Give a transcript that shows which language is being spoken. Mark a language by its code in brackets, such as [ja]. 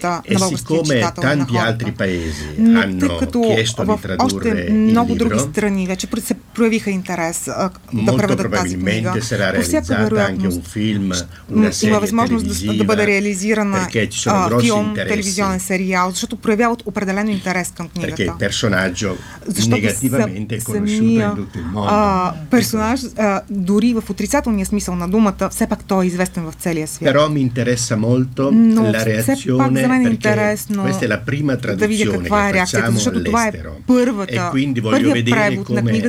[it] E siccome tanti altri paesi hanno chiesto di tradurre il libro, [bg] проявиха интерес да преведат тази книга. [it] Molto probabilmente sarà realizzata anche un film, una serie [bg] има възможност да бъде реализирана филм, телевизионен сериал, защото проявяват определен интерес към книгата. [it] Perché il personaggio negativamente conosciuto in tutto il mondo. [bg] Персонаж, дори в отрицателния смисъл на думата, все пак той е известен в целия свят. [it] Però mi interessa molto la reazione, perché questa è la prima traduzione che facciamo all'estero. [bg] Това е първата, [it] e quindi voglio vedere come